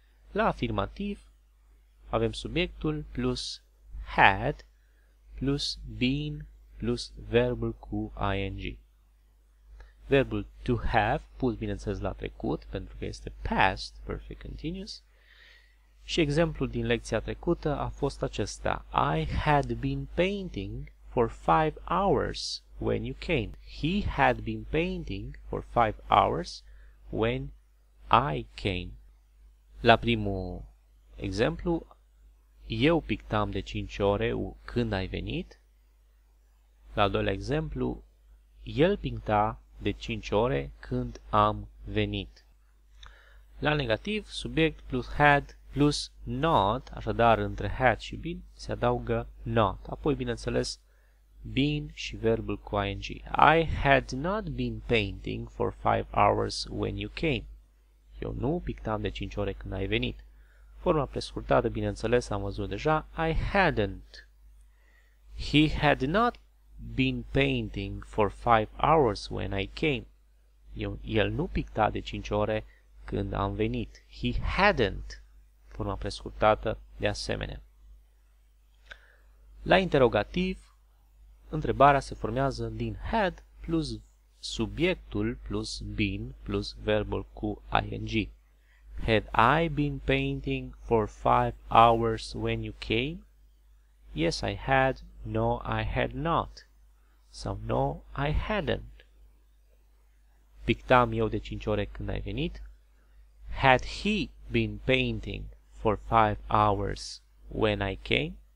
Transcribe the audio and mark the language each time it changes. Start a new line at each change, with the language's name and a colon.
Romanian: La afirmativ avem subiectul plus had plus been plus verbul cu ing. Verbul to have, pus bineînțeles la trecut, pentru că este past perfect continuous. Și exemplul din lecția trecută a fost acesta.
English: I had been painting for 5 hours when you came. He had been painting for 5 hours when I came.
Romanian: La primul exemplu, eu pictam de 5 ore când ai venit. La al doilea exemplu, el picta de 5 ore când am venit. La negativ, subiect plus had plus not, așadar între had și been, se adaugă not. Apoi, bineînțeles, been și verbul cu ing.
English: I had not been painting for 5 hours when you came.
Romanian: Eu nu pictam de 5 ore când ai venit. Forma prescurtată, bineînțeles, am văzut deja,
English: I hadn't. He had not been painting for 5 hours when I came.
Romanian: El nu picta de 5 ore când am venit.
English: He hadn't.
Romanian: Forma prescurtată de asemenea. La interrogativ, întrebarea se formează din had plus subiectul plus been plus verbul cu ing.
English: Had I been painting for 5 hours when you came? Yes, I had. No, I had not. sau no, I hadn't.
Romanian: Pictam eu de 5 ore când ai venit?
English: Had he been painting for 5 hours when I came?